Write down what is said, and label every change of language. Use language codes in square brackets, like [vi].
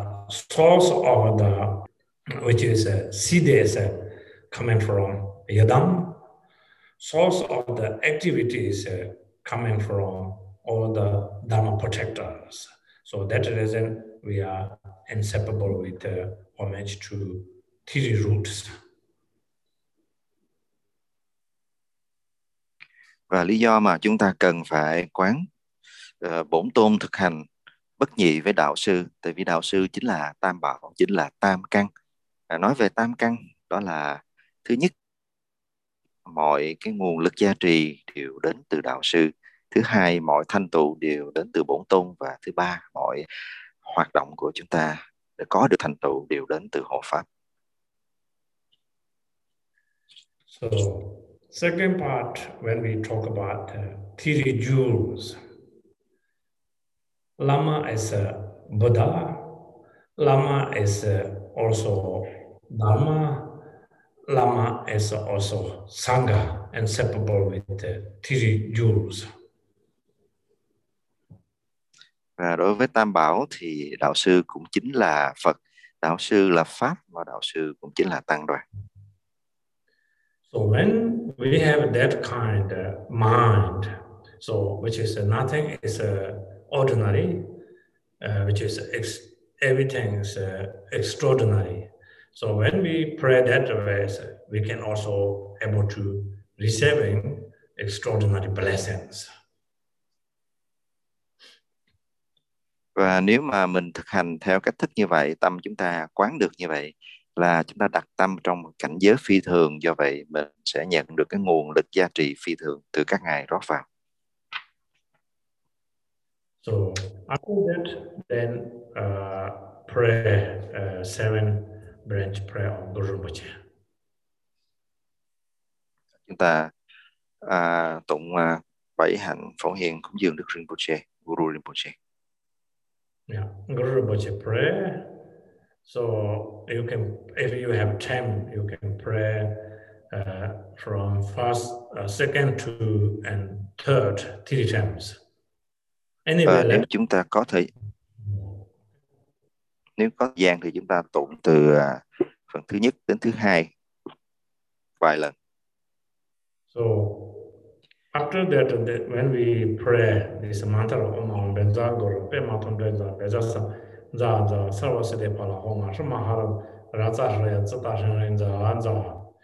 [en] Source of the, which is siddhis coming from Yadam. Source of the activities coming from all the Dharma protectors. So that reason we are inseparable with the homage to three roots. [vi] Và lý do mà chúng ta cần phải quán bổn tôn thực hành bất nhị với đạo sư, tại vì đạo sư chính là tam bảo, chính là tam căn. Nói về tam căn, đó là thứ nhất, mọi cái nguồn lực gia trì đều đến từ đạo sư. Thứ hai, mọi thanh tựu đều đến từ bổn tôn. Và thứ ba, mọi hoạt động của chúng ta để có được thành tựu đều đến từ hộ pháp. [en] So, second part, when we talk about three jewels, Lama is a Buddha, Lama is also Dharma, Lama is also Sangha, inseparable with three jewels. [vi] Và đối với Tam Bảo thì Đạo Sư cũng chính là Phật, Đạo Sư là Pháp và Đạo Sư cũng chính là Tăng Đoàn. [en] So when we have that kind of mind, so which is nothing is ordinary, which is everything is extraordinary. So when we pray that way, we can also able to receiving extraordinary blessings. [vi] Và nếu mà mình thực hành theo cách thức như vậy, tâm chúng ta quán được như vậy, là chúng ta đặt tâm trong một cảnh giới phi thường, do vậy mình sẽ nhận được cái nguồn lực gia trì phi thường từ các ngài rót vào. [en] So after that, then pray seven branch prayer of Guru Rinpoche. [vi] Chúng ta tụng bảy hạnh phổ hiền cúng dường Đức Rinpoche, Guru Rinpoche. [en] Yeah, Guru Rinpoche pray. So you can, if you have time, you can pray from first, second, two, and third three times. [vi] Anyway, nếu chúng ta có thể, nếu có gian thì chúng ta tụng từ phần thứ nhất đến thứ hai vài lần. [en] So after that, when we pray this mantra om benza guru pe matam benza bezasa za za sarvasade pala homa shamahara raja raya tsata shenza anza.